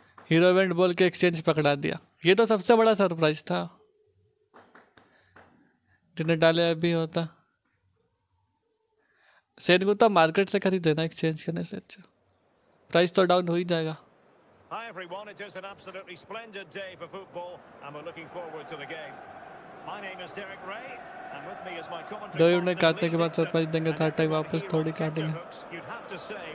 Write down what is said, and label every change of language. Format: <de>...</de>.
<hi>Hero event बोल के exchange पकड़ा दिया, ये तो सबसे बड़ा सरप्राइज था, जिन्हें डाले अभी होता। सेन गुप्ता मार्केट से खरीद देना एक्सचेंज करने से अच्छा, प्राइस तो डाउन हो ही जाएगा।</hi> <en>Hi everyone, it is an absolutely splendid day for football and we're looking forward to the game. My name is Derek Ray and with me is my commentary partner.</en> <hi>दो इवने काटने के बाद surprise देंगे, third time वापस थोड़ी काटेंगे।</hi>